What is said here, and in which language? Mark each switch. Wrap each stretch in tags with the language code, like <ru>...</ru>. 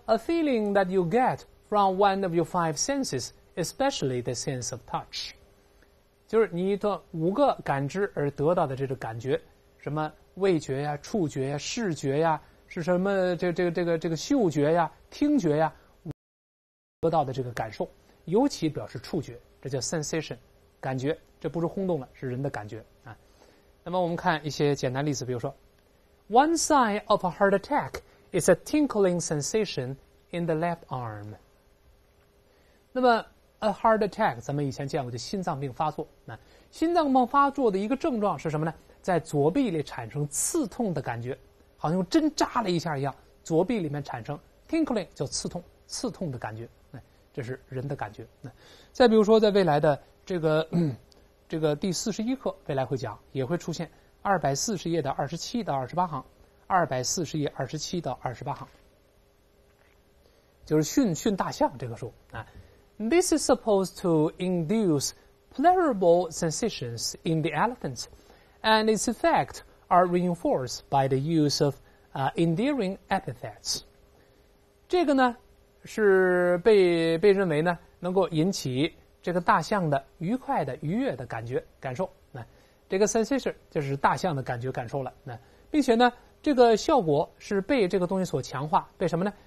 <en>a feeling that you get from one of your five senses， especially the sense of touch，</en> <zh>就是你的五个感知而得到的这个感觉，什么味觉呀、触觉呀、视觉呀，是什么这个嗅觉呀、听觉呀，得到的这个感受，尤其表示触觉，这叫 sensation， 感觉，这不是轰动了，是人的感觉啊。那么我们看一些简单例子，比如说</zh> <en>，One sign of a heart attack is a tingling sensation in the left arm。</en> <zh>那么</zh> <en>A heart attack，</en> <zh>咱们以前见过，就心脏病发作。那心脏病发作的一个症状是什么呢？在左臂里产生刺痛的感觉，好像针扎了一下一样，左臂里面产生 tingling， 叫刺痛，刺痛的感觉。这是人的感觉。再比如说，在未来的这个第41课，未来会讲，也会出现240页的27到28行，240页27到28行，就是训大象这个书啊。</zh> <en>This is supposed to induce pleasurable sensations in the elephant, and its effects are reinforced by the use of endearing epithets.</en> <zh>这个呢是被认为呢能够引起这个大象的愉快的愉悦的感觉感受。这个 sensation 就是大象的感觉感受了。并且呢这个效果是被这个东西所强化，被什么呢？</zh>